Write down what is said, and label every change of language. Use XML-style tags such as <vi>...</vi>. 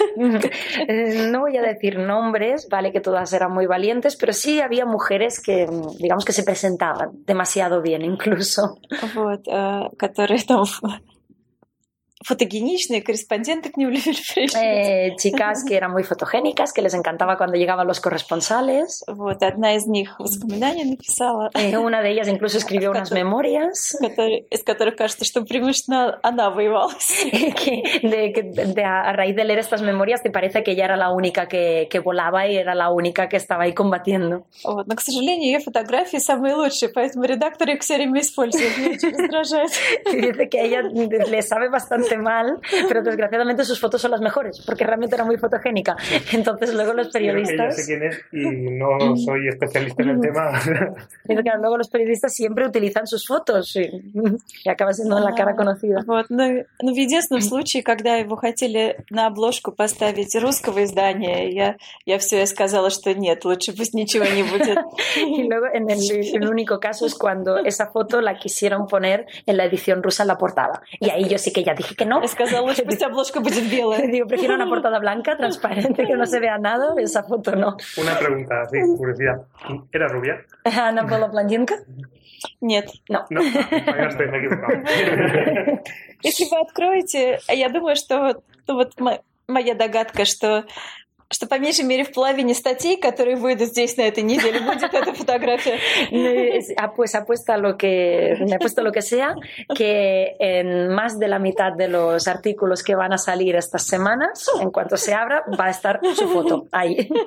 <es>No voy a decir nombres, vale, que todas eran muy valientes, pero sí había mujeres que, digamos, que se presentaban demasiado bien incluso.</es> <ru>Вот, которые там фотогеничные, корреспонденты к ним любили приезжать.</ru> <es>Chicas que eran muy fotogénicas, que les encantaba cuando llegaban los corresponsales.</es> <ru>Вот, одна из них воспоминания написала.</ru> <es>Una de ellas incluso escribió unas memorias.</es> <ru>Из которых кажется, что преимущественно она воевалась.</ru> <es>A raíz de leer estas memorias, te parece que ella era la única que volaba y era la única que estaba ahí combatiendo.</es> <ru>Вот, но, к сожалению, ее фотографии самые лучшие, поэтому редакторы их все время используют. Мне очень раздражает.</ru> <es>Dice que ella le sabe bastante mal, pero desgraciadamente sus fotos son las mejores, porque realmente era muy fotogénica. Entonces luego los periodistas... Sí, yo sé quién es y no soy especialista en el tema. Dice que luego los periodistas siempre utilizan sus fotos y acaba siendo la cara conocida.</es> <ru>Вот, но в единственном случае, когда его хотели на обложку поставить русского издания, я все сказала, что нет, лучше пусть ничего не будет.</ru> <es>Y luego en el único caso es cuando esa foto la quisieron poner en la edición rusa en la portada. Y ahí yo sí que ya dije que no.</es> <ru>Сказала, что пусть обложка будет белая.</ru> <es>Digo, prefiero una portada blanca, transparente, que no se vea nada, esa foto no. Una pregunta, sí, curiosidad. ¿Era rubia?</es> <ru>¿Она была блондинка? Нет.</ru> <es>No. No, я стою на гибкам.</es> <ru>Если вы откроете, я думаю, что вот моя догадка, что по меньшей мере в половине статей, которые выйдут здесь на этой неделе, будет эта фотография.</ru> <es>Ну, apuesto lo que sea, que en más de la mitad de los artículos que van a salir estas semanas, en cuanto se abra, va a estar su foto ahí.</es>